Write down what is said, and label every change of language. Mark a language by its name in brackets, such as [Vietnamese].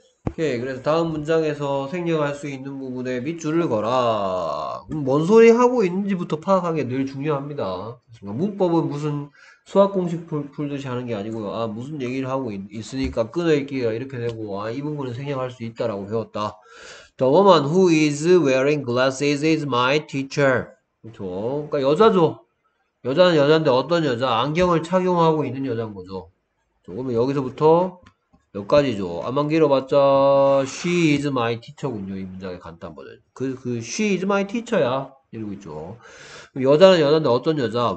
[Korean] 오케이. 그래서 다음 문장에서 생략할 수 있는 부분에 밑줄을 거라. 뭔 소리 하고 있는지부터 파악하는 게늘 중요합니다. 문법은 무슨 수학 공식 풀듯이 하는 게 아니고, 아, 무슨 얘기를 하고 있으니까 끊어읽기가 이렇게 되고, 아, 이 부분은 생략할 수 있다라고 배웠다. [English] The woman who is wearing glasses is my teacher. [Korean] 그렇죠. 그러니까 여자죠. 여자는 여잔데 어떤 여자? 안경을 착용하고 있는 여잔 거죠. 그러면 여기서부터 몇 가지죠. 암만 길어봤자 [English] she is my teacher [Korean] 군요. 이 문장의 간단 버전. 그 [English] she is my teacher [Korean] 야. 이러고 있죠. 여자는 여잔데 어떤 여자?